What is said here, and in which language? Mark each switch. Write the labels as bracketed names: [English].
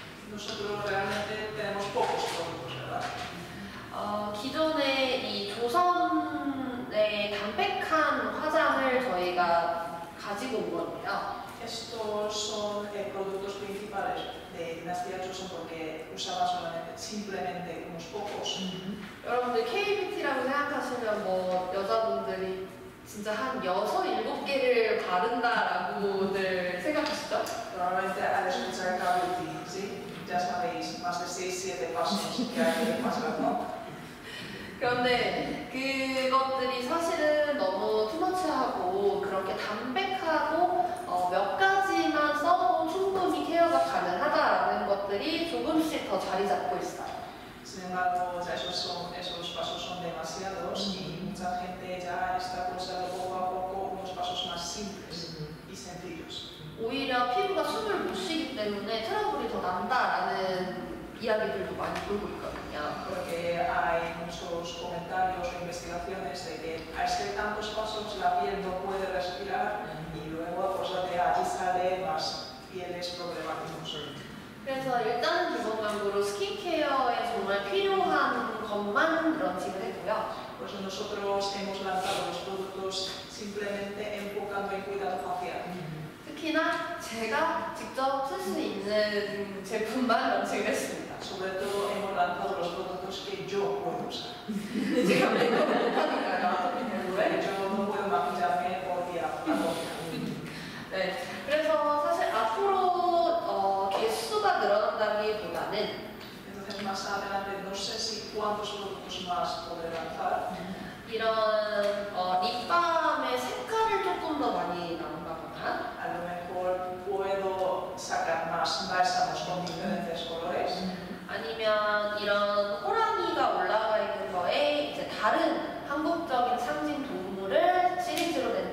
[Spanish] Nosotros realmente tenemos pocos productos, ¿verdad? [Korean] 기존에 이 조선의 담백한 화장을 저희가 가지고 온 건데요. [Spanish] Estos son productos principales de Dinastía Joseon porque usaba solamente, simplemente unos pocos. [Korean] 여러분들 KBT라고 생각하시면 뭐 여자분들이 진짜 한 6-7개를 바른다라고들 생각하시죠? [Spanish] Normalmente al escuchar KBT, ¿sí? Ya sabéis, más de 6-7 pasos que hay que pasar, ¿no? [Korean] 그런데 그것들이 사실은 너무 투머치하고 그렇게 담백하고 몇 가지만 써도 충분히 케어가 가능하다라는 것들이 조금씩 더 자리 잡고 있어요. [Spanish] Sin embargo, ya esos pasos son demasiados y mucha gente ya está usando poco a poco unos pasos más simples y sencillos. [Korean] 오히려 피부가 숨을 못 쉬기 때문에 트러블이 더 난다라는 이야기들도 많이 돌고 있거든요. [Spanish] Porque hay muchos comentarios o investigaciones de que al ser tantos pasos la piel no puede respirar y luego pues de allí sale más pieles problemáticos. [Korean] 그래서 일단 기본적으로 스킨케어에 정말 필요한 것만 런칭을 했고요. [Spanish] Pues nosotros hemos lanzado los productos simplemente enfocando en cuidado facial. [Korean] 특히나 제가 직접 쓸 수 있는 제품만 런칭했습니다. [Spanish] Sobre todo hemos lanzado los productos que yo puedo usar. Yo no puedo maquillarme o día a día. [Korean] 그래서 사실 앞으로 개수가 늘어난다기보다는 [Spanish] entonces más adelante no sé si cuántos productos más podré lanzar. [Korean] 이런 립밤의 색깔을 조금 더 많이 나온다거나 [Spanish] a lo mejor puedo sacar más bálsamos con diferentes colores. [Korean] 아니면 이런 호랑이가 올라가 있는 거에 이제 다른 한국적인 상징 동물을 시리즈로